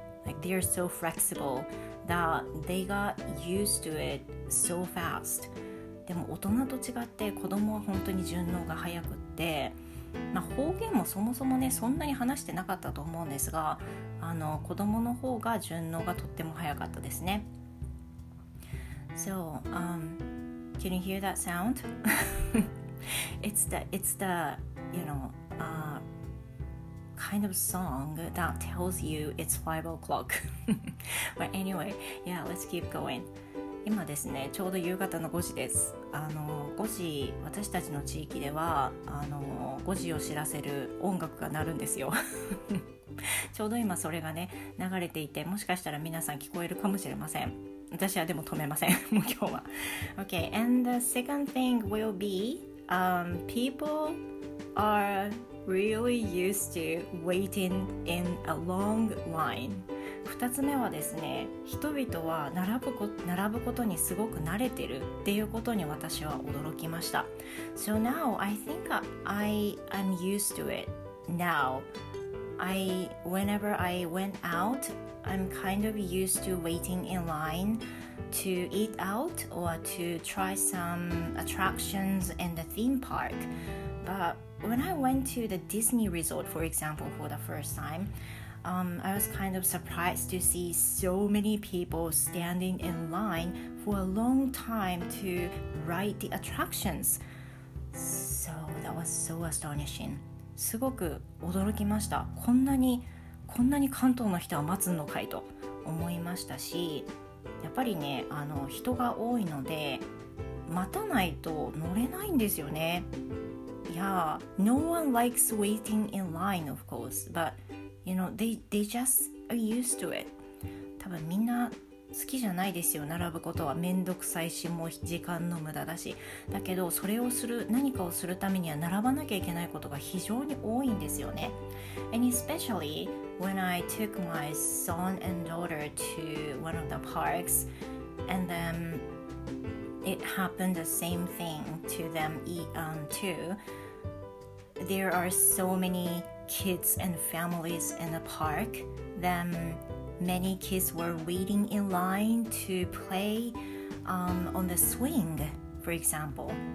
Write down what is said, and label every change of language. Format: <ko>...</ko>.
<en>Like they're so flexible that they got used to it so fast.</en> <ja>でも大人と違って子供は本当に順応が早くって、まあ、方言もそもそもねそんなに話してなかったと思うんですが、あの子供の方が順応がとっても早かったですね。</ja> <en>So, can you hear that sound? it's the, you know, kind of song that tells you it's 5 o'clock. But anyway, yeah, let's keep going.</en> <ja>今ですね、ちょうど夕方の5時です。あの5時、私たちの地域ではあの5時を知らせる音楽が鳴るんですよ。ちょうど今それがね、流れていて、もしかしたら皆さん聞こえるかもしれません。私はでも止めません。もう今日は。</ja> <en>Okay, and the second thing will be, people are really used to waiting in a long line.</en> <ja>二つ目はですね、人々は並ぶことにすごく慣れてるっていうことに私は驚きました。</ja> <en>So now I think I am used to it now. Whenever I went out,I'm kind of used to waiting in line to eat out or to try some attractions in the theme park. But when I went to the Disney resort, for example, for the first time, I was kind of surprised to see so many people standing in line for a long time to ride the attractions. So that was so astonishing.</en> <ja>すごく驚きました。こんなに関東の人は待つのかいと思いましたし、やっぱりね、あの人が多いので待たないと乗れないんですよね。</ja> <en>Yeah, no one likes waiting in line, of course, but you know, they just are used to it.</en> <ja>多分みんな好きじゃないですよ、並ぶことは。めんどくさいし、もう時間の無駄だし。だけどそれをする、何かをするためには並ばなきゃいけないことが非常に多いんですよね。</ja> <en>And especially when I took my son and daughter to one of the parks, and then it happened the same thing to them too. There are so many kids and families in the park, then many kids were waiting in line to play on the swing, for example.</en>